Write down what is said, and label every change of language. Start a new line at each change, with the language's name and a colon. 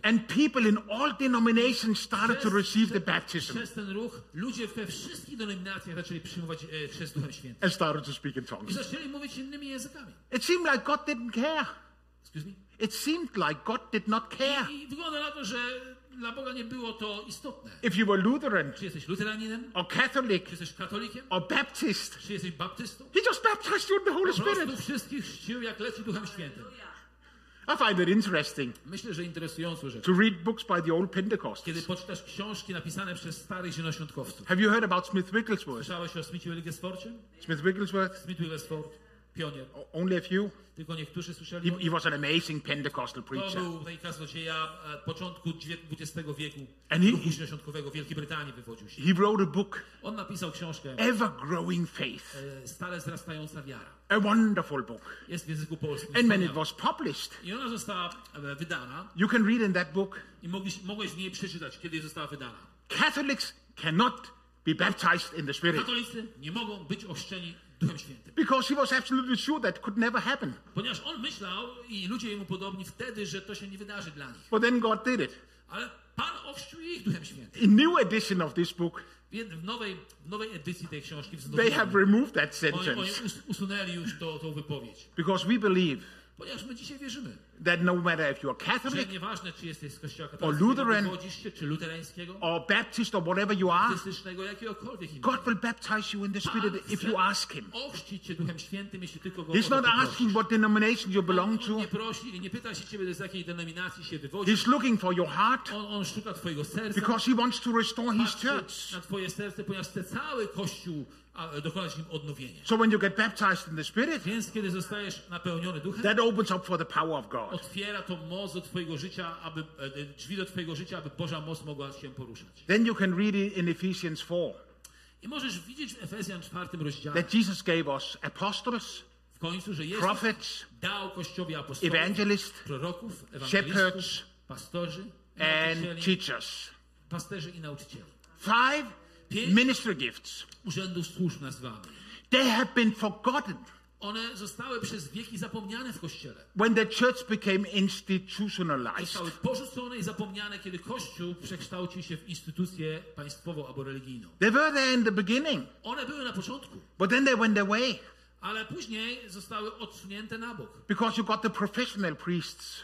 English: And people in all denominations started to receive the baptism.
Polish: Przez ten ruch ludzie we wszystkich denominacjach zaczęli przyjmować chrzest Duchem Świętym.
English: And started to speak in tongues.
Polish: I zaczęli mówić innymi językami.
English: It seemed like God didn't care. Excuse me? It seemed like God did not care.
Polish: I wygląda na to, że dla Boga nie było to istotne.
English: If you were Lutheran,
Polish: czy jesteś Luteraninem?
English: Or Catholic,
Polish: czy jesteś katolikiem?
English: Or Baptist,
Polish: czy jesteś baptystą?
English: He just baptized you in the Holy Spirit.
Polish: Po prostu wszystkich chrzcił, jak leci Duchem Świętym.
English: I find it interesting.
Polish: Myślę, że interesujące rzeczy.
English: To read books by the old Pentecostals.
Polish: Kiedy poczytasz książki napisane przez starych zielonoświątkowców.
English: Have you heard about Smith Wigglesworth?
Polish: Słyszałeś o Smithie Wigglesworthie?
English: Smith Wigglesworth?
Polish: Smith Wigglesworth. Pionier.
English: Only a few.
Polish: Tylko niektórzy słyszeli.
English: He was an amazing Pentecostal preacher.
Polish: To był taki kazodzieja początku XX wieku. Ruchu zielonoświątkowego w Wielkiej Brytanii wywodził się.
English: He wrote a book.
Polish: On napisał książkę.
English: Ever growing faith.
Polish: Stale wzrastająca wiara.
English: A wonderful book.
Polish: Jest w języku polskim.
English: And when it was published.
Polish: I ona została wydana.
English: You can read in that book.
Polish: I mogłeś w niej przeczytać, kiedy została wydana.
English: Catholics cannot be baptized in the Spirit.
Polish: Katolicy nie mogą być ochrzczeni.
English: Because he was absolutely sure that could never happen.
Polish: Ponieważ on myślał i ludzie jemu podobni wtedy, że to się nie wydarzy dla nich.
English: But then God did it.
Polish: Ale Pan ochrzcił ich Duchem Świętym.
English: In new edition of this book.
Polish: W nowej edycji tej książki.
English: They have removed that sentence.
Polish: Oni usunęli już tą wypowiedź.
English: Because we believe.
Polish: Ponieważ my dzisiaj wierzymy.
English: That no matter if you are Catholic.
Polish: Że nieważne, czy jesteś z kościoła katolickiego.
English: Or Lutheran.
Polish: Czy luterańskiego.
English: Or Baptist or whatever you are.
Polish: Baptystycznego, jakiegokolwiek imienia.
English: God will baptize you in the Spirit if you ask him.
Polish: Ochrzcić cię Duchem Świętym, jeśli tylko go
English: He's not asking what denomination you belong to.
Polish: Nie prosi i nie pyta się ciebie, z jakiej denominacji się wywodzisz.
English: He's looking for your heart.
Polish: On szuka twojego serca.
English: Because he wants to restore his church.
Polish: Na twoje serce, ponieważ chce cały kościół dokonać nim odnowienia.
English: So when you get baptized in the Spirit.
Polish: Więc kiedy zostajesz napełniony Duchem.
English: That opens up for the power of God.
Polish: Otwiera to moc do twojego życia, aby drzwi do twojego życia, aby Boża moc mogła się poruszać.
English: Then you can read it in Ephesians 4.
Polish: I możesz widzieć w Efezjan 4 rozdziale.
English: That Jesus gave us apostles,
Polish: w końcu, że Jezus
English: prophets,
Polish: dał kościowi apostołów,
English: evangelists,
Polish: proroków,
English: shepherds,
Polish: pastorzy,
English: and teachers.
Polish: Pasterzy i nauczycieli.
English: Five ministry gifts.
Polish: Urzędów służb nazwamy.
English: They have been forgotten.
Polish: One zostały przez wieki zapomniane w kościele.
English: When the church became institutionalized.
Polish: Zostały porzucone i zapomniane, kiedy kościół przekształcił się w instytucję państwową albo religijną.
English: They were there in the beginning.
Polish: One były na początku.
English: But then they went away.
Polish: Ale później zostały odsunięte na bok.
English: Because you got the professional priests.